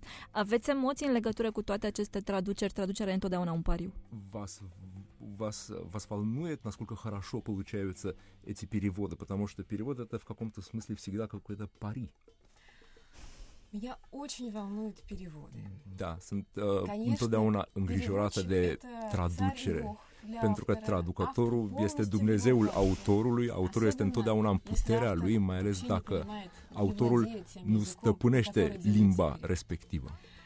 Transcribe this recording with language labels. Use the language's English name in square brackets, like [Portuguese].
[Romanian] Aveți emoții în legătură cu toate aceste traduceri? Traducerea e întotdeauna un pariu. [Russian] Вас волнует, насколько хорошо получаются эти переводы, потому что перевод это в каком-то смысле всегда какой-то пари. Меня очень волнуют переводы. [Romanian] Да, întotdeauna îngrijorată de traducere. Pentru că traducătorul este Dumnezeul autorului, autorul este întotdeauna în puterea lui, mai ales dacă autorul nu stăpânește limba respectivă.